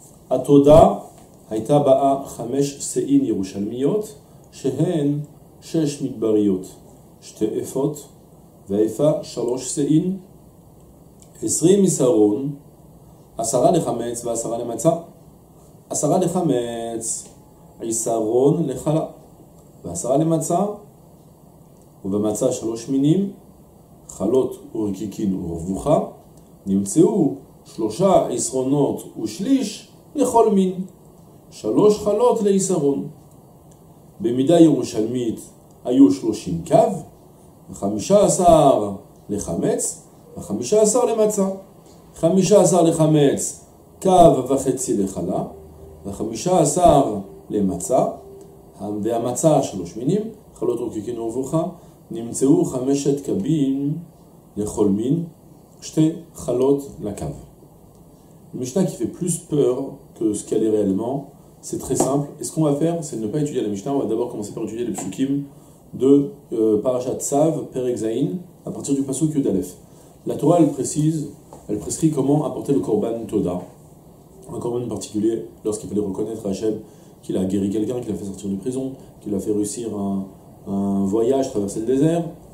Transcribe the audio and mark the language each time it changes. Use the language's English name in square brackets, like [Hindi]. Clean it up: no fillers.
[Hebrew] Atoda, Haïta Ba'a, Chamesh Sein Yerushalmiyot, Shehen, Shesh Midbariot, Shte Efot, Vaifa, Shalosh Sein, Esri Misaron, עשרה לחמץ ועשרה למצה. עשרה לחמץ, עיסרון לחלה. ועשרה למצה, ובמצה שלוש מינים, חלות ורקיקין ורבוחה, נמצאו שלושה עשרונות ושליש לכל מין. שלוש חלות לעיסרון. במידה ירושלמית היו שלושים קו, וחמישה עשר לחמץ, וחמישה עשר למצה. 15 לחמץ, קו וחצי לחלה, ו-15 למצה, והמצה שלוש מינים, חלות רוקיקין ורבוחה, נמצאו חמשת קבים לכל מין, שתי חלות לקו. [French] Mishnah qui fait plus peur que ce qu'elle est réellement, c'est très simple. Et ce qu'on va faire, c'est de ne pas étudier la Mishnah, on va d'abord commencer par étudier les psukim de Parashat Tsav, Perek Zayin, à partir du pasuk Yud Aleph. La Torah, elle précise. Elle prescrit comment apporter le korban toda, un korban particulier lorsqu'il fallait reconnaître à Hachem qu'il a guéri quelqu'un, qu'il a fait sortir de prison, qu'il a fait réussir un voyage, traverser le désert.